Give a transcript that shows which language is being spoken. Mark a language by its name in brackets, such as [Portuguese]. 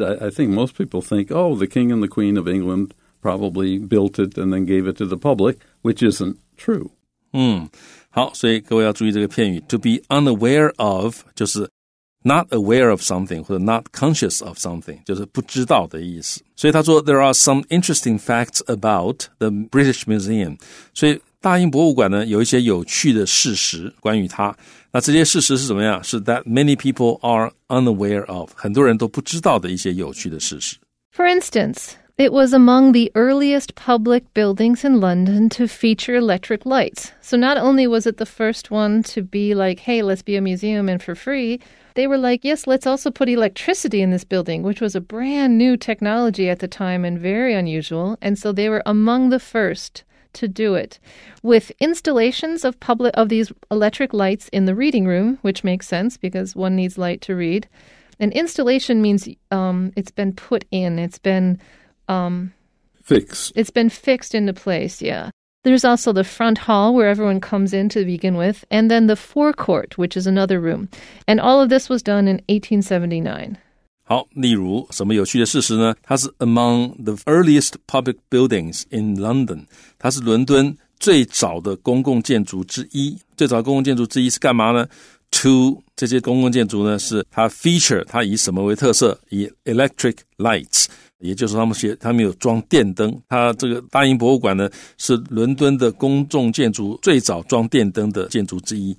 [English] I think most people think, oh, the King and the Queen of England probably built it and then gave it to the public, which isn't true. [Chinese] 好，所以各位要注意这个片语 [English] to be unaware of [Chinese] 就是 [English] Not aware of something, [Chinese] 或者 [English] not conscious of something, [Chinese] 就是不知道的意思。所以他说 [English] there are some interesting facts about the British Museum. [Chinese] 所以大英博物馆呢有一些有趣的事实关于它。那这些事实是怎么样？是 [English] that many people are unaware of, [Chinese] 很多人都不知道的一些有趣的事实。 [English] For instance, it was among the earliest public buildings in London to feature electric lights. So not only was it the first one to be like, hey, let's be a museum and for free,They were like, yes, let's also put electricity in this building, which was a brand new technology at the time and very unusual. And so they were among the first to do it with installations of these electric lights in the reading room, which makes sense because one needs light to read. An installation means it's been put in. It's been fixed. It's been fixed into place. Yeah. There's also the front hall where everyone comes in to begin with, and then the forecourt, which is another room. And all of this was done in 1879. [Chinese] 好，例如什么有趣的事实呢？它是 [English] among the earliest public buildings in London. [Chinese] 它是伦敦最早的公共建筑之一。最早的公共建筑之一是干嘛呢？ To 这些公共建筑呢，是它 feature, 它以什么为特色？以 electric lights. 也就是他们有装电灯。他这个大英博物馆呢是伦敦的公众建筑最早装电灯的建筑之一。